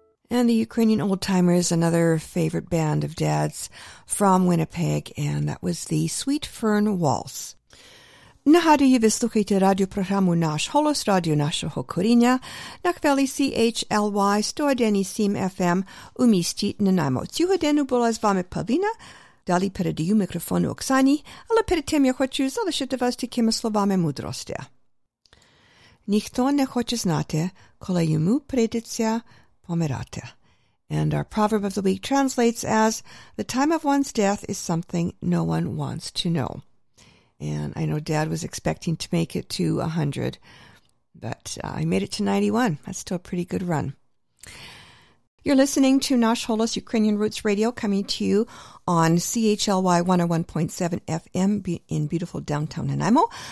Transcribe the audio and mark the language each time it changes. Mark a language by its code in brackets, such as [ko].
[en] And the Ukrainian Old Timers, another favorite band of Dad's from Winnipeg, and that was the Sweet Fern Waltz. [uk] Нагадую, ви слухаєте радіопрограму «Наш голос», радіо нашого коріння, на хвилі CHLY 101.7 FM у місті Нанаймо. Цю годину була з вами Павлина, далі передаю мікрофону Оксані, але перед тим я хочу залишити вас такими словами мудрості. Ніхто не хоче знати, коли йому прийдеться помирати. [en] And our proverb of the week translates as, the time of one's death is something no one wants to know. And I know Dad was expecting to make it to 100, but I made it to 91. That's still a pretty good run. You're listening to Nash Holos Ukrainian Roots Radio, coming to you on CHLY 101.7 FM in beautiful downtown Nanaimo.